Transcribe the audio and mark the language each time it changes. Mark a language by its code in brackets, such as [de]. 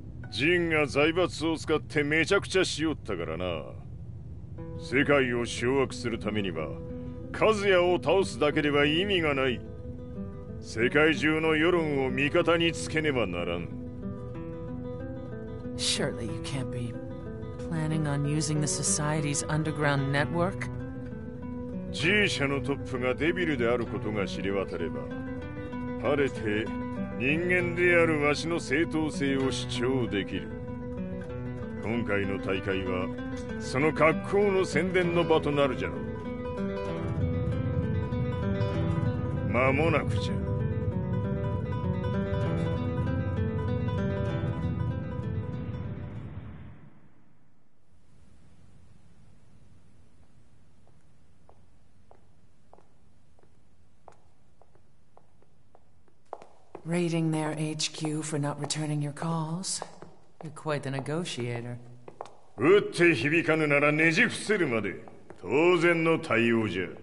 [ja] Jin が財閥を使ってめちゃくちゃしよったからな。世界を掌握するためには Kazuya を倒すだけでは意味がない。世界中の世論を味方につけねばならん。 [en] Surely you can't be planning on using the society's underground network? [ja] G社のトップがデビルであることが知れ渡れば、晴れて人間であるわしの正当性を主張できる。今回の大会はその格好の宣伝の場となるじゃろう。間もなくじゃ。 [en] Raiding their HQ for not returning your calls. You're quite the negotiator. [ja] 撃って響かぬならねじ伏せるまで、当然の対応じゃ。